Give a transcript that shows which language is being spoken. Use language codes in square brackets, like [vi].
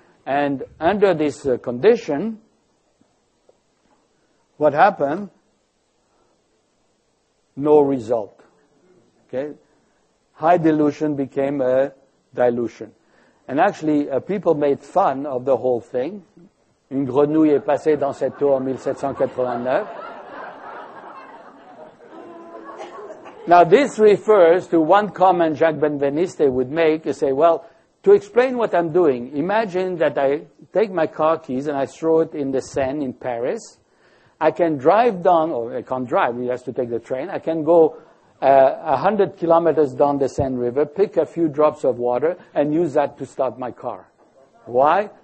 [en] And under this condition, what happened? No result. Okay, high dilution became a dilution. And actually, people made fun of the whole thing. [fr] Une grenouille est passée dans cette eau en 1789. [en] Now, this refers to one comment Jacques Benveniste would make. He say, well, to explain what I'm doing, imagine that I take my car keys and I throw it in the Seine in Paris. I can drive down, or I can't drive, he has to take the train. I can go 100 kilometers down the Seine River, pick a few drops of water, and use that to start my car. Why?